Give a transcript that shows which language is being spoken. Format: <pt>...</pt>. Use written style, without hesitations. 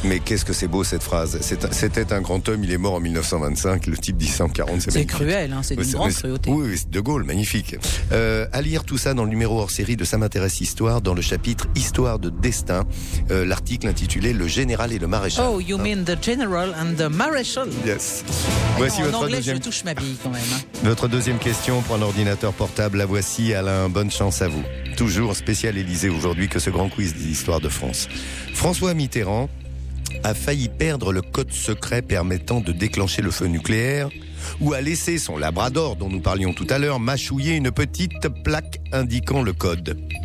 <fr>Mais qu'est-ce que c'est beau cette phrase, c'était un grand homme, il est mort en 1925, le type 1940, c'est cruel, hein, c'est une grande cruauté. Oui, De Gaulle, magnifique. À lire tout ça dans le numéro hors-série de Ça m'intéresse Histoire, dans le chapitre Histoire de destin, l'article intitulé Le général et le maréchal.</fr> <en>Oh, you mean the general and the maréchal? Yes.</en> <fr>Voici non, votre en anglais, deuxième... je touche ma bille quand même. Votre deuxième question pour un ordinateur portable, la voici, Alain, bonne chance à vous. Toujours spécial Élysée aujourd'hui que ce grand quiz des histoires de France. François Mitterrand a failli perdre le code secret permettant de déclencher le feu nucléaire ou a laissé son labrador, dont nous parlions tout à l'heure, mâchouiller une petite plaque indiquant le code.</fr>